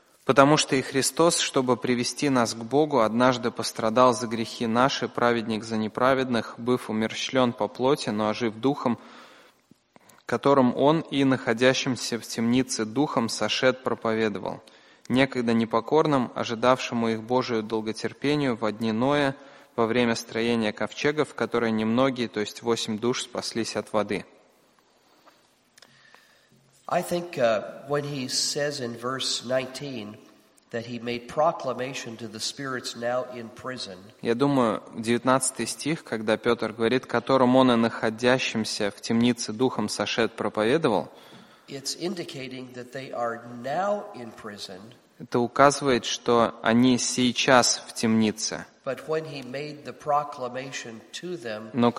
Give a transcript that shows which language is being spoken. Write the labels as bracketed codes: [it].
[ru] Потому что и Христос, чтобы привести нас к Богу, однажды пострадал за грехи наши, праведник за неправедных, быв умерщвлен по плоти, но ожив духом, которым он и находящимся в темнице духом сошед проповедовал, некогда непокорным, ожидавшему их Божию долготерпению во дни Ноя, во время строения ковчега, в которой немногие, то есть 8 душ, спаслись от воды». [en] I think when he says in verse 19 that he made proclamation to the spirits now in prison. [ru] Я думаю, 19 стих, когда Петр говорит, которым он и находящимся в темнице духом сошед проповедовал. [en] It's indicating that they are now in prison. [ru] Это указывает, что они сейчас в темнице. [en] But when he made the proclamation to them,